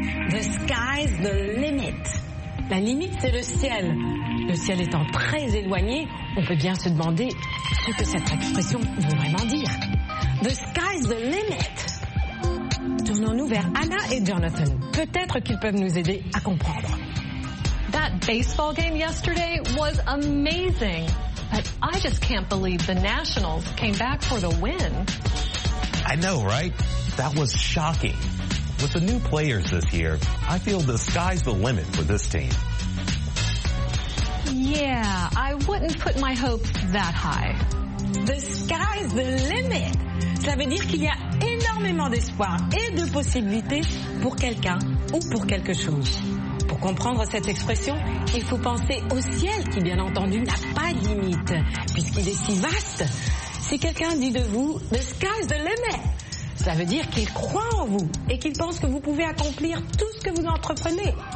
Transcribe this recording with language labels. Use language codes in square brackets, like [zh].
[en] The sky's the limit. [fr] La limite, c'est le ciel. Le ciel étant très éloigné, on peut bien se demander ce que cette expression veut vraiment dire. [en] The sky's the limit. [fr] Tournons-nous vers Anna et Jonathan. Peut-être qu'ils peuvent nous aider à comprendre. [en] That baseball game yesterday was amazing. But I just can't believe the Nationals came back for the win. I know, right? That was shocking. With the new players this year, I feel the sky's the limit for this team. Yeah, I wouldn't put my hopes that high. The sky's the limit. [fr] Ça veut dire qu'il y a énormément d'espoir et de possibilités pour quelqu'un ou pour quelque chose. Pour comprendre cette expression, il faut penser au ciel qui, bien entendu, n'a pas de limite, puisqu'il est si vaste. Si quelqu'un dit de vous « [en] The sky's the limit [fr] », ça veut dire qu'il croit en vous et qu'il pense que vous pouvez accomplir tout ce que vous entreprenez.